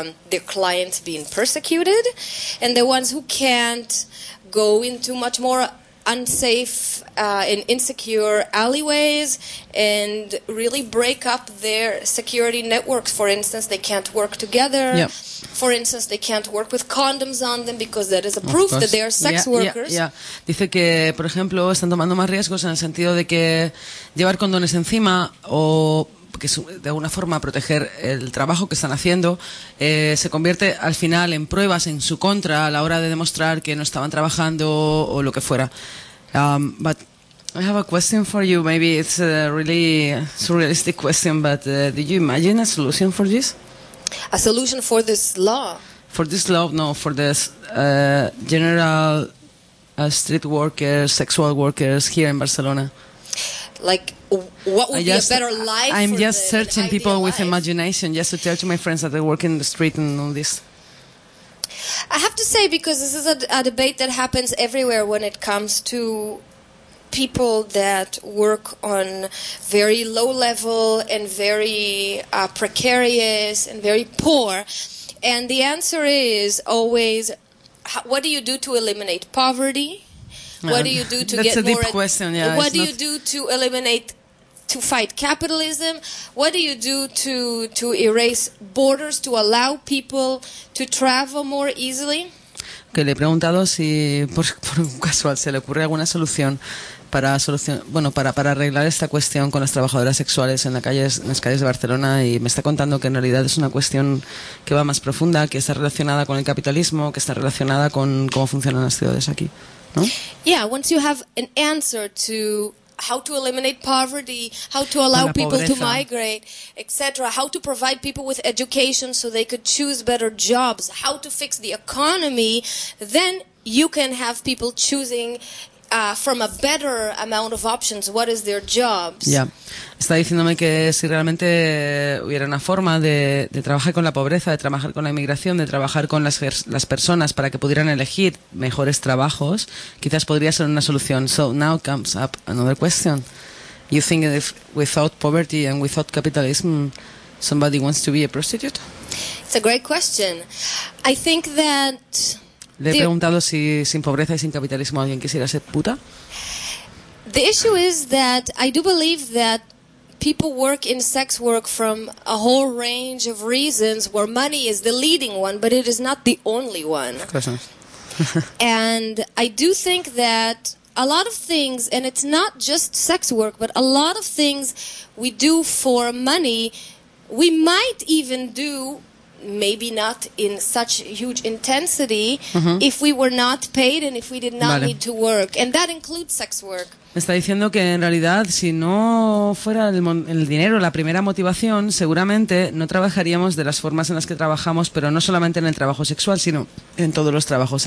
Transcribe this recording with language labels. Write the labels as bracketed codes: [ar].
[en] their clients being persecuted, and the ones who can't go into much more unsafe and insecure alleyways and really break up their security networks. For instance, they can't work together. Yep. For instance, they can't work with condoms on them because that is a proof that they are sex workers. Yeah. [es] Dice que, por ejemplo, están tomando más riesgos en el sentido de que llevar condones encima o que de alguna forma proteger el trabajo que están haciendo se convierte al final en pruebas en su contra a la hora de demostrar que no estaban trabajando o lo que fuera. [en] But I have a question for you. Maybe it's a really surrealistic question, but did you imagine a solution for this? A solution for this law? For this law, no. For this general street workers, sexual workers here in Barcelona. Like, what would be a better life? I'm just searching people with imagination just to tell to my friends that they work in the street and all this. I have to say, because this is a debate that happens everywhere when it comes to people that work on very low level and very precarious and very poor. And the answer is always, what do you do to eliminate poverty? What do you do to get more... That's a deep question, yeah. What do you do to eliminate, to fight capitalism? What do you do to erase borders, to allow people to travel more easily? [es] Que le he preguntado si por un casual se le ocurre alguna solución para para arreglar esta cuestión con las trabajadoras sexuales en las calles de Barcelona, y me está contando que en realidad es una cuestión que va más profunda, que está relacionada con el capitalismo, que está relacionada con cómo funcionan las ciudades aquí, ¿no? [en] Yeah, once you have an answer to how to eliminate poverty, how to allow people to migrate, etc., how to provide people with education so they could choose better jobs, how to fix the economy, then you can have people choosing from a better amount of options, what is their jobs. Yeah. [es] Está diciéndome que si realmente hubiera una forma de trabajar con la pobreza, de trabajar con la inmigración, de trabajar con las personas para que pudieran elegir mejores trabajos, quizás podría ser una solución. [en] So now comes up another question. You think if without poverty and without capitalism, somebody wants to be a prostitute? It's a great question. I think that... [es] Le he preguntado si sin pobreza y sin capitalismo alguien quisiera ser puta. [en] The issue is that I do believe that people work in sex work from a whole range of reasons, where money is the leading one, but it is not the only one. And I do think that a lot of things, and it's not just sex work, but a lot of things we do for money, we might even do, maybe not in such huge intensity, if we were not paid and if we did not need to work. And that includes sex work. [es] Me está diciendo que en realidad, si no fuera el dinero la primera motivación, seguramente no trabajaríamos de las formas en las que trabajamos, pero no solamente en el trabajo sexual, sino en todos los trabajos.